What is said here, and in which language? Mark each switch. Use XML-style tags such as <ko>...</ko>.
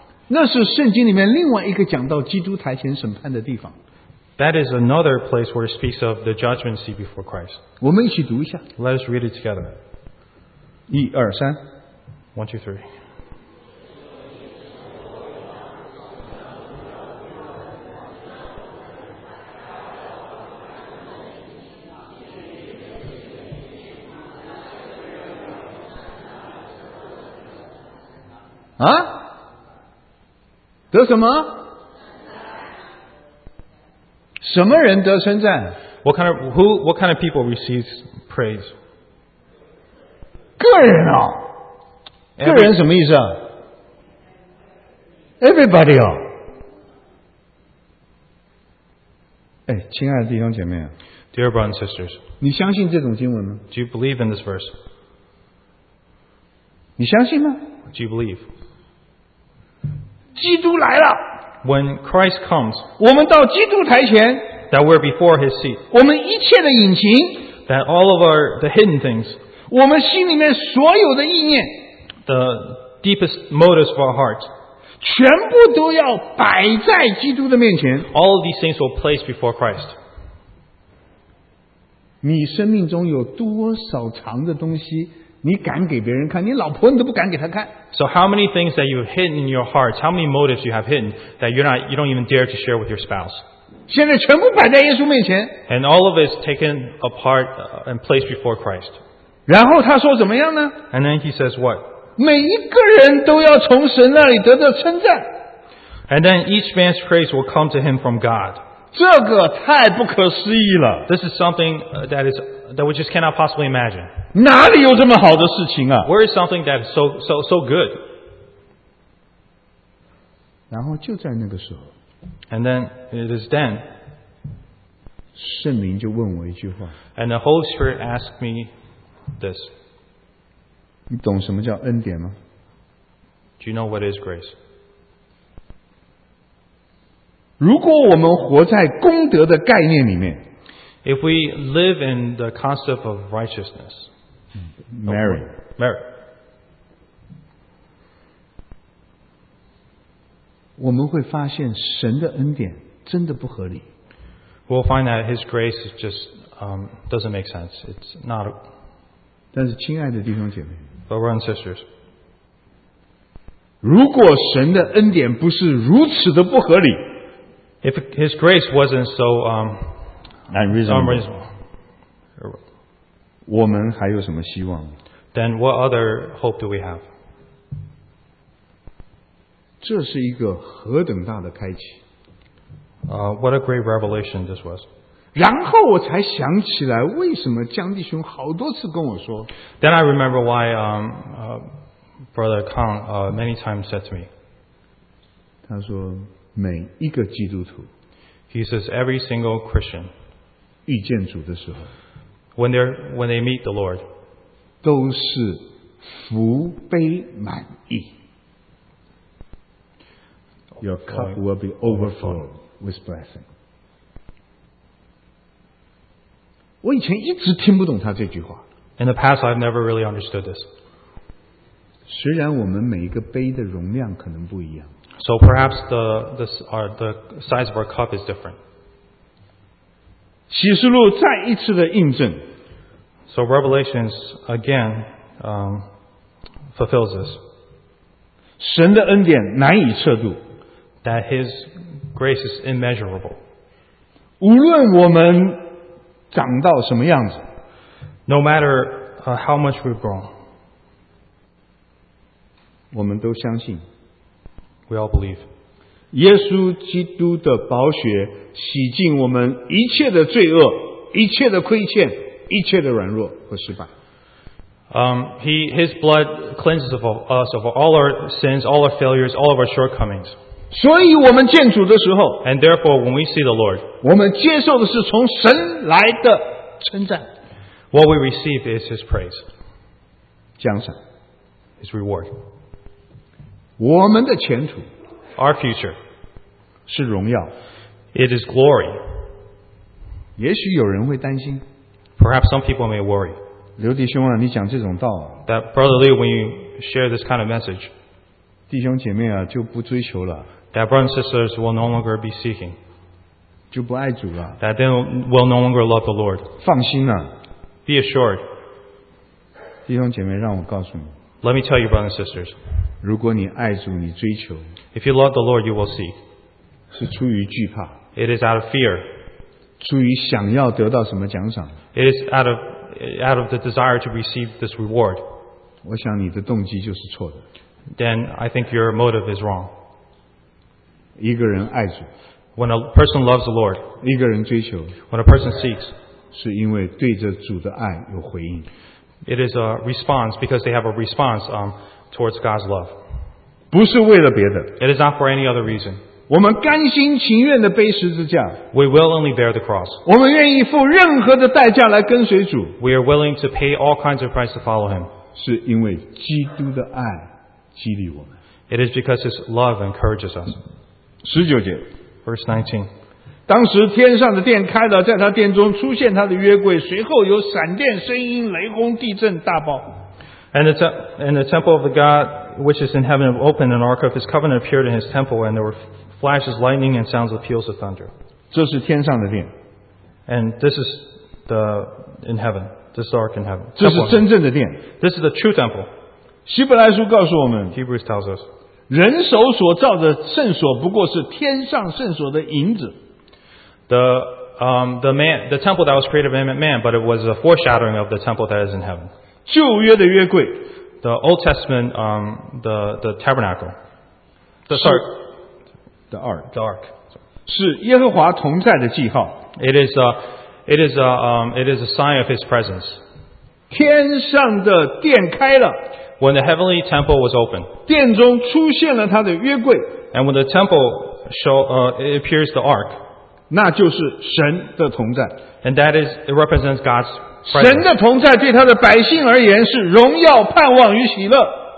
<zh>那是圣经里面另外一个讲到基督台前审判的地方。</zh> <en>That is another place where it speaks of the judgment seat before Christ.</en> <zh>我们一起读一下。</zh> <en>Let us read it together.</en> <zh>一二三。</zh> <en>One, two, three.</en> <zh>啊？得什么？什么人得称赞？</zh> <en>What kind of people receives praise?</en> <zh>个人啊。个人什么意思啊 ？</zh> <en>Everybody</en> <zh>啊！哎，亲爱的弟兄姐妹啊</zh> <en>，Dear brothers and sisters，</en> <zh>你相信这种经文吗</zh> <en>？Do you believe in this verse？</en> <zh>你相信吗</zh> <en>？Do you believe？</en> <zh>基督来了</zh> <en>，When Christ comes，</en> <zh>我们到基督台前</zh> <en>，That we're before His seat，</en> <zh>我们一切的隐情</zh> <en>，That all of our the hidden things，</en> <zh>我们心里面所有的意念。</zh> <en>The deepest motives for our hearts.</en> <zh>全部都要摆在基督的面前。</zh> <en>All of these things will place before Christ.</en> <zh>你生命中有多少藏的东西你敢给别人看你老婆你都不敢给她看。</zh> <en>So how many things that you've hidden in your hearts, how many motives you have hidden that you don't even dare to share with your spouse?</en> <zh>现在全部摆在耶稣面前。</zh> <en>And all of it is taken apart and placed before Christ.</en> <zh>然后他说怎么样呢?</zh> <en>And then he says what?</en> <zh>每一个人都要从神那里得到称赞。</zh> <en>And then each man's praise will come to him from God.</en> <zh>这个太不可思议了。</zh> <en>This is something that we just cannot possibly imagine.</en> <zh>哪里有这么好的事情啊？</zh> <en>Where is something that is so good?</en> <zh>然后就在那个时候。</zh> <en>And then it is then.</en> <zh>圣灵就问我一句话。</zh> <en>And the Holy Spirit asked me this.</en> <zh>你懂什么叫恩典吗</zh> <en>？Do you know what is grace？</en> <zh>如果我们活在功德的概念里面</zh> <en>，If we live in the concept of righteousness，</en> <zh>Mary， 我们会发现神的恩典真的不合理。</zh> <en>We'll find that His grace is just doesn't make sense. It's not.</en> <zh>但是，亲爱的弟兄姐妹。</zh> <en>Brothers and sisters,</en> <zh>如果神的恩典不是如此的不合理</zh> <en>，If His grace wasn't so unreasonable,</en> <zh>我们还有什么希望</zh> <en>？Then what other hope do we have?</en> <zh>这是一个何等大的开启</zh> <en>！What a great revelation this was.</en> <zh>然后我才想起来为什么江弟兄好多次跟我说</zh> <en>Then I remember why Brother Kong many times said to me</en> <zh>他说每一个基督徒</zh> <en>He says every single Christian</en> <zh>遇见主的时候</zh> <en>when they meet the Lord</en> <zh>都是福杯满溢</zh> <en>Your cup will be overflowed with blessing</en> <zh>我以前一直听不懂他这句话。</zh> <en>In the past, I've never really understood this.</en> <zh>虽然我们每一个杯的容量可能不一样。</zh> <en>So perhaps the size of our cup is different.</en> <zh>启示录再一次的印证。</zh> <en>So Revelations again, fulfills this.</en> <zh>神的恩典难以测度。</zh> <en>That His grace is immeasurable.</en> <zh>无论我们长到什么样子。</zh> <en>No matter how much we've grown,</en> <zh>我们都相信。</zh> <en>We all believe.</en> <zh>耶稣基督的宝血洗净我们一切的罪恶，一切的亏欠，一切的软弱和失败。</zh> <en>His blood cleanses of us of all our sins, all our failures, all of our shortcomings.</en> <zh>所以我们见主的时候</zh> <en>，And therefore when we see the Lord,</en> <zh>我们接受的是从神来的称赞。</zh> <en>What we receive is His praise,</en> <zh>奖赏</zh> <en>His reward.</en> <zh>我们的前途</zh> <en>Our future</en> <zh>是荣耀</zh> <en>It is glory.</en> <zh>也许有人会担心</zh> <en>Perhaps some people may worry.</en> <zh>刘弟兄啊，你讲这种道</zh> <en>That brother Liu, when you share this kind of message,</en> <zh>弟兄姐妹啊，就不追求了</zh> <en>That brothers and sisters will no longer be seeking.</en> <zh>就不爱主了</zh> <en>That they will no longer love the Lord.</en> <zh>放心啊</zh> <en>Be assured.</en> <zh>弟兄姐妹，让我告诉你。</zh> <en>Let me tell you, brothers and sisters.</en> <zh>如果你爱主，你追求。</zh> <en>If you love the Lord, you will seek.</en> <zh>是出于惧怕。</zh> <en>It is out of fear.</en> <zh>出于想要得到什么奖赏。</zh> <en>It is out of the desire to receive this reward.</en> <zh>我想你的动机就是错的。</zh> <en>Then I think your motive is wrong.</en> <zh>一个人爱主。</zh> <en>When a person loves the Lord.</en> <zh>一个人追求。</zh> <en>When a person seeks.</en> <zh>是因为对着主的爱有回应。</zh> <en>It is a response because they have a response towards God's love.</en> <zh>不是为了别的。</zh> <en>It is not for any other reason.</en> <zh>我们甘心情愿地背十字架。</zh> <en>We willingly bear the cross.</en> <zh>我们愿意付任何的代价来跟随主。</zh> <en>We are willing to pay all kinds of price to follow Him.</en> <zh>是因为基督的爱激励我们。</zh> <en>It is because His love encourages us.</en> <zh>十九节。</zh> <en>Verse 19.</en> <zh>当时天上的殿开了，在他殿中出现他的约柜，随后有闪电、声音、雷轰、地震、大爆。</zh> <en>And the temple of the God which is in heaven opened, an ark of His covenant appeared in His temple, and there were flashes, lightning, and sounds of peals of thunder.</en> <zh>这是天上的殿。</zh> <en>And this is the in heaven. This is the ark in heaven.</en> <zh>这是真正的殿。</zh> <en>This is the true temple.</en> <zh>希伯来书告诉我们。</zh> <en>Hebrews tells us.</en> <zh>人手所造的圣所不过是天上圣所的影子。</zh> <en>The temple that was created by man, but it was a foreshadowing of the temple that is in heaven.</en> <zh>旧约的约柜</zh> <en>The Old Testament, the tabernacle. The ark.</en> <zh>是耶和华同在的记号</zh> <en>It is a sign of His presence.</en> <zh>天上的殿开了</zh> <en>When the heavenly temple was open.</en> <zh>殿中出现了他的约柜</zh> <en>And when the temple it appears the ark.</en> <zh>那就是神的同在</zh> <en>And that is, it represents God's presence.</en> <zh>神的同在对他的百姓而言是荣耀盼望与喜乐</zh>